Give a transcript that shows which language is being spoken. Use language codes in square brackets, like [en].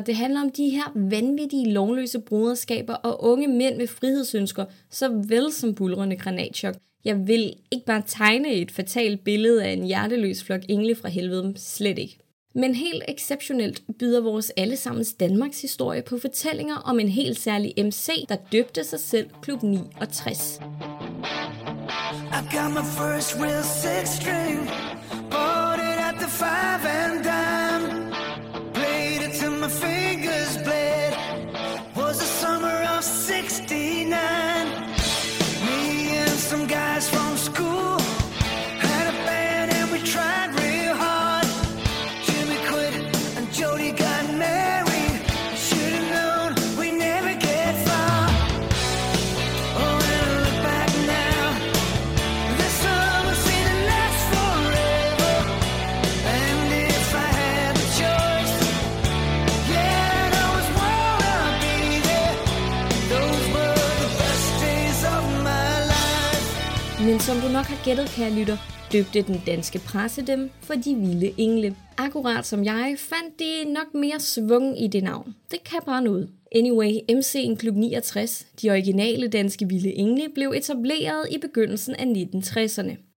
[da] Det handler om de her vanvittige, lovløse broderskaber og unge mænd med frihedsønsker, såvel som bulrende granatchok. Jeg vil ikke bare tegne et fatalt billede af en hjerteløs flok engle fra helvede, slet ikke. Men helt exceptionelt byder vores allesammens Danmarks historie på fortællinger om en helt særlig MC, der døbte sig selv Klub 69. [en] I've got my first real six string, bought it at the five and dime, played it till my fingers bled, was the summer of 69, me and some guys from school, had a band and we tried real hard, Jimmy quit and Jody got married, should have known we'd never get far, oh and I look back now, this summer seemed to last forever, and if I had the choice, yeah I'd always wanna be there, those were the best days of my life. [da] Men som du nok har gættet, kære lytter, døbte den danske presse dem for de vilde engle. Akkurat som jeg, fandt de nok mere svung i det navn. Det kan bare noget. Anyway, MC'en Klub 69, de originale danske vilde engle, blev etableret i begyndelsen af 1960'erne.